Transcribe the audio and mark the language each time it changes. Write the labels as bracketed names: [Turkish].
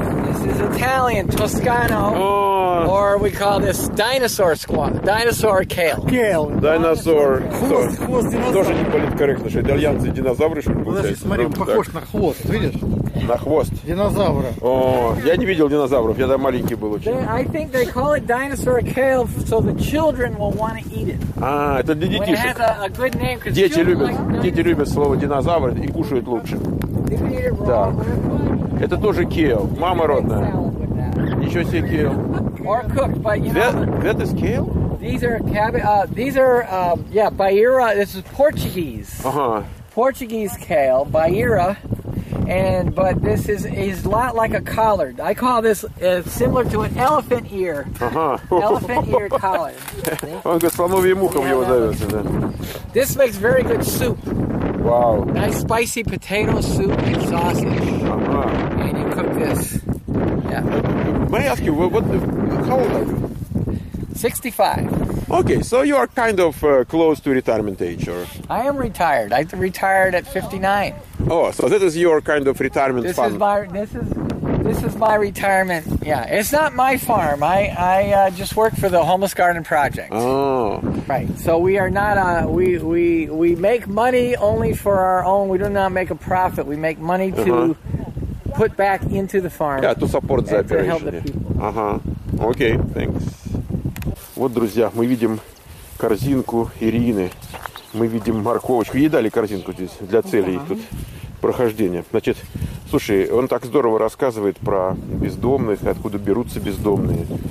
[English] This is Italian, Toscano, or we call this dinosaur squash, dinosaur kale. Kale. Dinosaur. [Russian] Хвост динозавра. Тоже не политкорректно, что итальянцы динозавры, что ли, получается? Подожди, смотри, похож на хвост, видишь? На хвост. Динозавра. О, я не видел динозавров, я там маленький был очень. [English] I think they call it dinosaur kale, so the children will want to eat it. [Russian] Это для детишек. [English] It has a good name, because children like dinosaurs. [Russian] Дети любят слово динозавр и кушают лучше. Да. Это тоже кейл. Мама родная. Ничего себе кейл. [English] Or cooked, but you know. That is kale? These are Baira. This is Portuguese. Portuguese kale, Baira. But this is a lot like a collard. I call this similar to an elephant ear. Elephant ear collard. [Russian] Он слоновьим ухом его зовется, да. [English] This makes very good soup. Wow. Nice spicy potato soup and sausage. Uh-huh. And you cook this. Yeah. May I ask you, how old are you? 65. Okay, so you are kind of close to retirement age, or? I am retired. I retired at 59. Oh, so this is your kind of retirement this farm. This is my retirement. Yeah, it's not my farm. I just work for the Homeless Garden Project. Oh. Right. So we are not we make money only for our own. We do not make a profit. We make money to put back into the farm. Yeah, to support the operation. To help the people. Uh-huh. Okay, thanks. [Russian] Вот, друзья, мы видим корзинку Ирины, мы видим морковочку. Ей дали корзинку здесь для целей тут прохождения. Значит, слушай, он так здорово рассказывает про бездомных, откуда берутся бездомные.